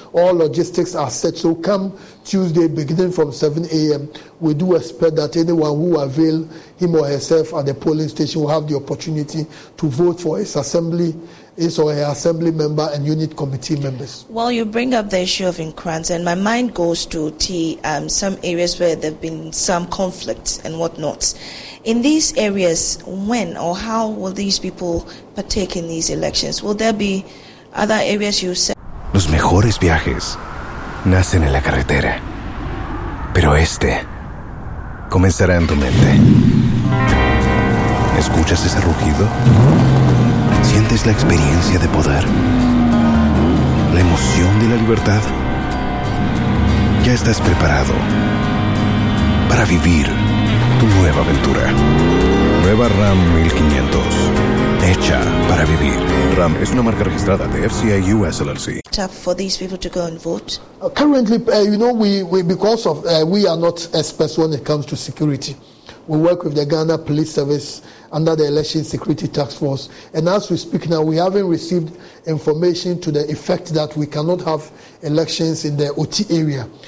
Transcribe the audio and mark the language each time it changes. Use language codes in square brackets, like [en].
[en] All logistics are set. So come Tuesday, beginning from 7 a.m., we do expect that anyone who avail him or herself at the polling station will have the opportunity to vote for his assembly, his or her assembly member and unit committee members. Well, you bring up the issue of Nkrasa, and my mind goes to some areas where there have been some conflicts and whatnot. In these areas, when or how will these people partake in these elections? Will there be other areas you said? [es] Los mejores viajes nacen en la carretera, pero este comenzará en tu mente. ¿Escuchas ese rugido? ¿Sientes la experiencia de poder? ¿La emoción de la libertad? Ya estás preparado para vivir tu nueva aventura. Nueva Ram 1500. Hecha para vivir. Ram es una marca registrada de FCA US LLC. [en] Tough for these people to go and vote? Currently, we are not experts when it comes to security. We work with the Ghana Police Service under the Election Security Task Force. And as we speak now, we haven't received information to the effect that we cannot have elections in the OT area.